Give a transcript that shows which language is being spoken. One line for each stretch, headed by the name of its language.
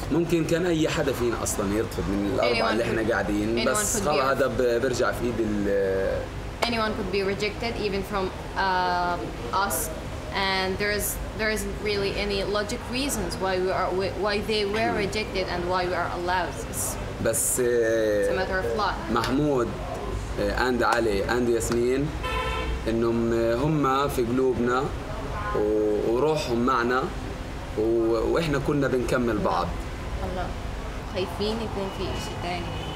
Arabic: ممكن كان أي حدا فينا أصلاً يرتفض من الأربعة اللي إحنا قاعدين، بس خلاص هذا برجع في إيد
English: anyone could be rejected, even from us. And there is really any logic reasons why we are why they were rejected and why we are allowed. It's a matter of law.
Arabic: Mahmoud and Ali and Yasmin, إنهم هما في قلوبنا وروحهم معنا وإحنا كنا بنكمل بعض. الله خايفين يكون في إشي تاني.